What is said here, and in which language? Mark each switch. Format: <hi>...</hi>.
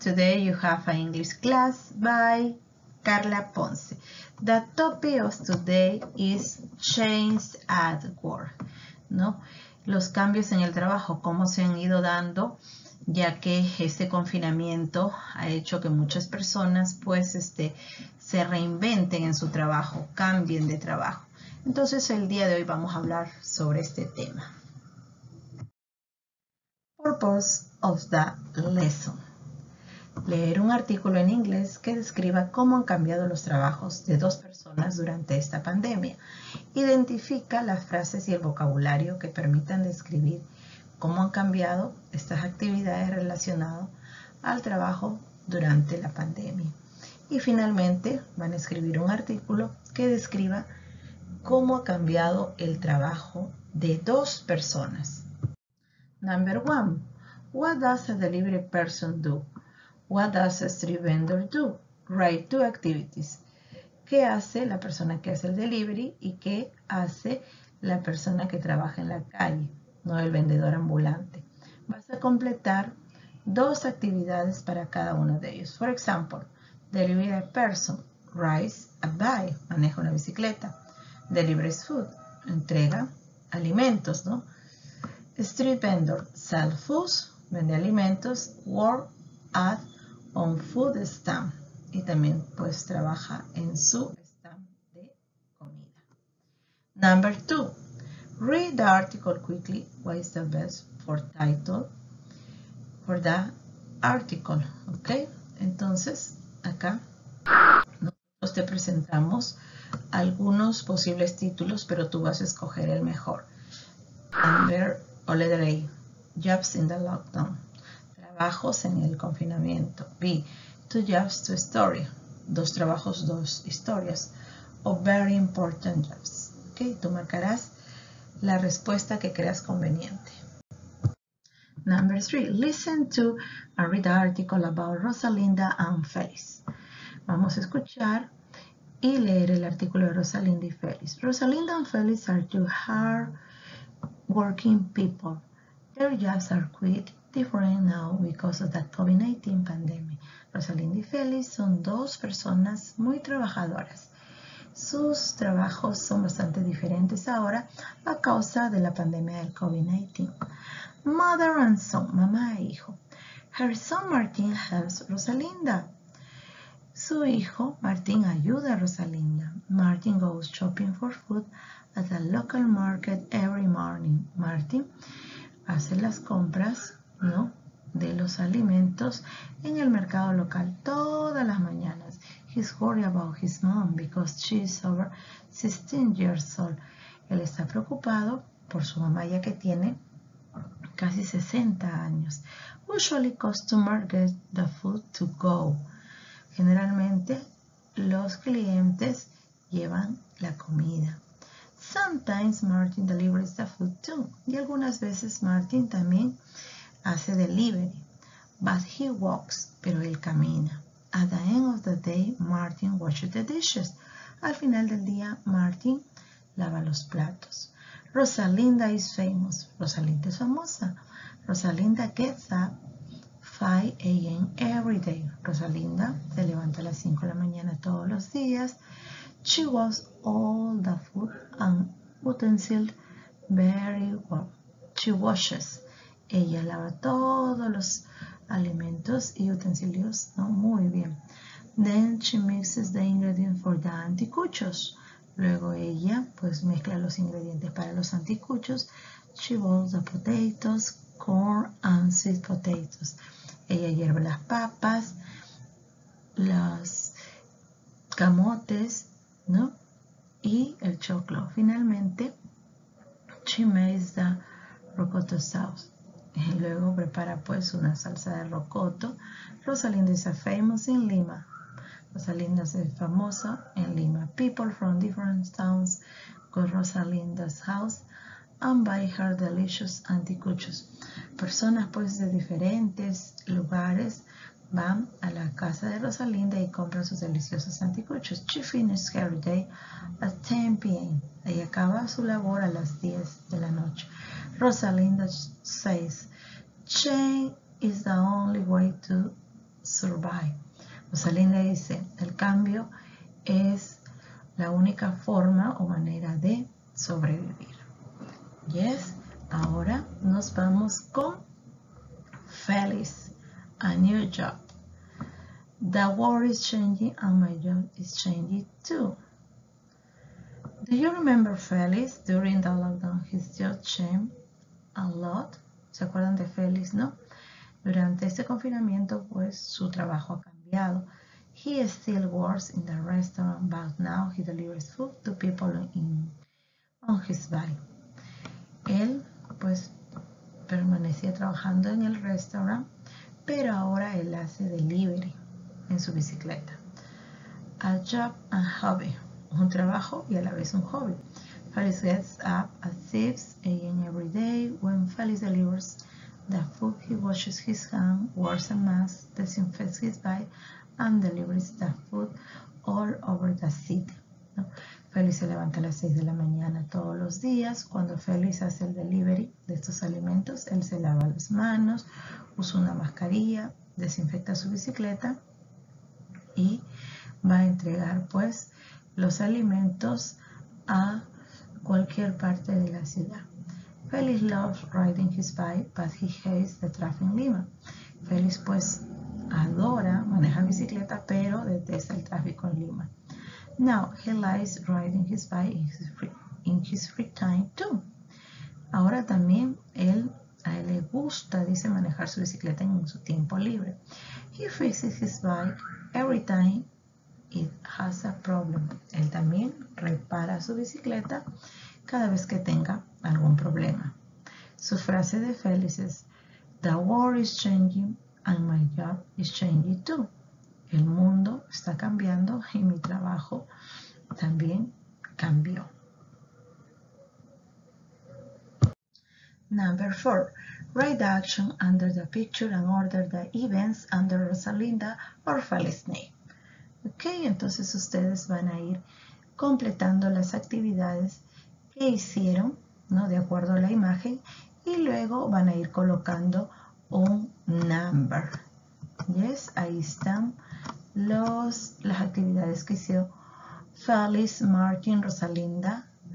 <en>Today you have an English class by Carla Ponce. The topic of today is change at work, ¿no?</en> <es>Los cambios en el trabajo, cómo se han ido dando, ya que este confinamiento ha hecho que muchas personas, pues, se reinventen en su trabajo, cambien de trabajo. Entonces, el día de hoy vamos a hablar sobre este tema.</es> <en>Purpose of the lesson.</en> <es>Leer un artículo en inglés que describa cómo han cambiado los trabajos de dos personas durante esta pandemia. Identifica las frases y el vocabulario que permitan describir cómo han cambiado estas actividades relacionadas al trabajo durante la pandemia. Y finalmente van a escribir un artículo que describa cómo ha cambiado el trabajo de dos personas.</es> <en>Number one, what does a delivery person do? What does a street vendor do? Write two activities.</en> <es>¿Qué hace la persona que hace el delivery y qué hace la persona que trabaja en la calle, no el vendedor ambulante? Vas a completar dos actividades para cada uno de ellos.</es> <en>For example, delivery person rides a bike,</en> <es>maneja una bicicleta.</es> <en>Delivers food,</en> <es>entrega alimentos, ¿no?</es> <en>Street vendor, sell food,</en> <es>vende alimentos,</es> <en>work at on food stand,</en> <es>y también pues trabaja en su stand de comida.</es> <en>Number two, read the article quickly, what is the best for title for the article, ok?</en> <es>Entonces, acá nosotros te presentamos algunos posibles títulos, pero tú vas a escoger el mejor.</es> <en>Number O letter A, jobs in the lockdown,</en> <es>trabajos en el confinamiento.</es> <en>B, two jobs, two stories,</en> <es>dos trabajos, dos historias.</es> <en>O very important jobs.</en> <es>Ok, tú marcarás la respuesta que creas conveniente.</es> <en>Number three, listen to and read the article about Rosalinda and Félix.</en> <es>Vamos a escuchar y leer el artículo de Rosalinda y Félix.</es> <en>Rosalinda and Félix are too hard working people. Their jobs are quite different now because of the COVID-19 pandemic.</en> <es>Rosalinda y Félix son dos personas muy trabajadoras. Sus trabajos son bastante diferentes ahora a causa de la pandemia del COVID-19.</es> <en>Mother and son,</en> <es>mamá e hijo.</es> <en>Her son Martin helps Rosalinda.</en> <es>Su hijo Martin ayuda a Rosalinda.</es> <en>Martin goes shopping for food at the local market every morning.</en> <es>Martin hace las compras, ¿no?, de los alimentos en el mercado local todas las mañanas.</es> <en>He's worried about his mom because she's over 16 years old.</en> <es>Él está preocupado por su mamá ya que tiene casi 60 años.</es> <en>Usually customers get the food to go.</en> <es>Generalmente los clientes llevan la comida.</es> <en>Sometimes Martin delivers the food too.</en> <es>Y algunas veces Martin también hace delivery.</es> <en>But he walks,</en> <es>pero él camina.</es> <en>At the end of the day, Martin washes the dishes.</en> <es>Al final del día, Martin lava los platos.</es> <en>Rosalinda is famous.</en> <es>Rosalinda es famosa.</es> <en>Rosalinda gets up 5 a.m. every day.</en> <es>Rosalinda se levanta a las 5 de la mañana todos los días.</es> <en>She was all the food and utensils very well. She washes.</en> <es>Ella lava todos los alimentos y utensilios, ¿no?, muy bien.</es> <en>Then she mixes the ingredients for the anticuchos.</en> <es>Luego ella pues mezcla los ingredientes para los anticuchos.</es> <en>She boils the potatoes, corn and sweet potatoes.</en> <es>Ella hierve las papas, los camotes, ¿no?, y el choclo.</es> <en>Finalmente, she makes the rocoto sauce.</en> <es>Y luego prepara pues una salsa de rocoto.</es> <en>Rosalinda is famous in Lima.</en> <es>Rosalinda es famosa en Lima.</es> <en>People from different towns go to Rosalinda's house and buy her delicious anticuchos.</en> <es>Personas pues de diferentes lugares van a la casa de Rosalinda y compran sus deliciosos anticuchos.</es> <en>She finishes her day at 10 p.m.</en> <es>Ella acaba su labor a las 10 de la noche.</es> <en>Rosalinda says, change is the only way to survive.</en> <es>Rosalinda dice, el cambio es la única forma o manera de sobrevivir. Yes, ahora nos vamos con Félix,</es> <en>a new job. The world is changing and my job is changing too. Do you remember Félix during the lockdown? His job changed a lot.</en> <es>¿Se acuerdan de Félix, no? Durante este confinamiento, pues, su trabajo ha cambiado.</es> <en>He still works in the restaurant, but now he delivers food to people on his bike.</en> <es>Él, pues, permanecía trabajando en el restaurant, pero ahora él hace delivery en su bicicleta.</es> <en>A job and hobby.</en> <es>Un trabajo y a la vez un hobby.</es> <en>Félix gets up at 6 a.m. every day. When Félix delivers the food, he washes his hands, wears a mask, disinfects his bike, and delivers the food all over the city.</en> <es>¿No? Félix se levanta a las 6 de la mañana todos los días. Cuando Félix hace el delivery de estos alimentos, él se lava las manos, usa una mascarilla, desinfecta su bicicleta y va a entregar, pues, los alimentos a cualquier parte de la ciudad.</es> <en>Félix loves riding his bike, but he hates the traffic in Lima.</en> <es>Félix, pues, adora manejar bicicleta, pero detesta el tráfico en Lima.</es> <en>Now, he likes riding his bike in his free time, too.</en> <es>Ahora también, a él le gusta, dice, manejar su bicicleta en su tiempo libre.</es> <en>He fixes his bike every time it has a problem.</en> <es>Él también repara su bicicleta cada vez que tenga algún problema. Su frase de Félix es,</es> <en>the world is changing and my job is changing too.</en> <es>El mundo está cambiando y mi trabajo también cambió.</es> <en>Number 4. Write the action under the picture and order the events under Rosalinda or Félix's name.</en> <es>Ok, entonces ustedes van a ir completando las actividades que hicieron, ¿no? De acuerdo a la imagen, y luego van a ir colocando un number. Yes, ahí están las actividades que hizo Félix, Martin, Rosalinda.</es>